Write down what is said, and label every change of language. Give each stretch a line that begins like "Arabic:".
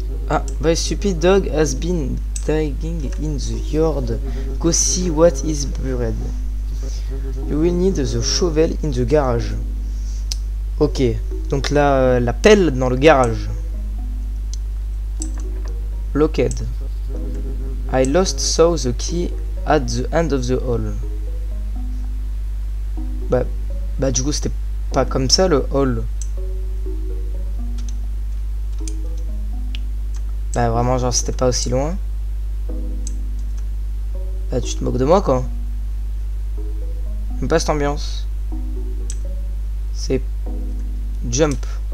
English: Ah, my stupid dog has been digging in the yard. Go see what is buried. You will need the shovel in the garage.
French: Ok, donc là, la pelle dans le garage.
English: Locked. I lost saw the key at the end of the hall.
French: Bah du coup c'était pas comme ça le hall. Bah vraiment genre c'était pas aussi loin. Bah tu te moques de moi quoi. J'aime pas cette ambiance. C'est... jump.